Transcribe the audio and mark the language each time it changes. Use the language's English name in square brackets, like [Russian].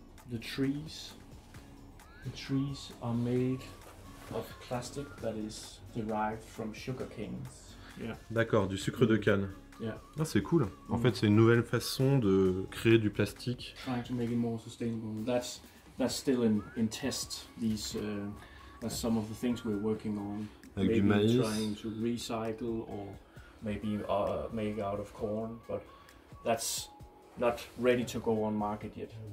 [English] The trees are made of plastic that is derived from sugar canes. Yeah. [French] D'accord, du sucre de canne. [English] Yeah. [French] Ah, c'est cool. En fait, c'est une nouvelle façon de créer du plastique. [English] Trying to make it more sustainable. That's still in test. That's some of the things we're working on. [French] Avec du maïs. [English] Maybe trying to recycle, or maybe make out of corn, but that's not ready to go on market yet.